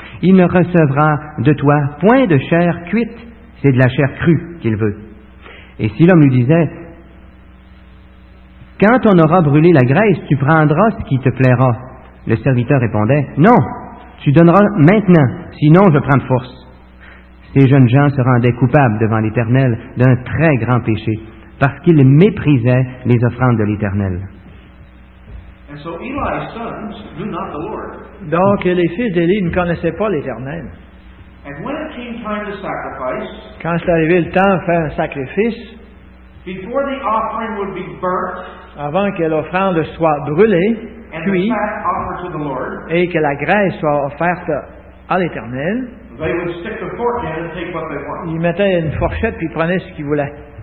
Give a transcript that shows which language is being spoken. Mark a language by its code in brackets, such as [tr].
[fr] Il ne recevra de toi point de chair cuite, c'est de la chair crue qu'il veut. » Et si l'homme lui disait, « Quand on aura brûlé la graisse, tu prendras ce qui te plaira. » Le serviteur répondait, « Non !» Tu donneras maintenant, sinon je prends de force. Ces jeunes gens se rendaient coupables devant l'Éternel d'un très grand péché, parce qu'ils méprisaient les offrandes de l'Éternel. [en] And so Eli's sons knew not the Lord. [fr] Donc les fils d'Élie ne connaissaient pas l'Éternel. [en] And when it came time to sacrifice, [fr] quand c'est arrivé le temps de faire un sacrifice, [en] before the offering would be burnt, [fr] avant que l'offrande soit brûlée, puis, et que la graisse soit offerte à l'Éternel, ils mettaient une fourchette puis prenaient ce qu'ils voulaient.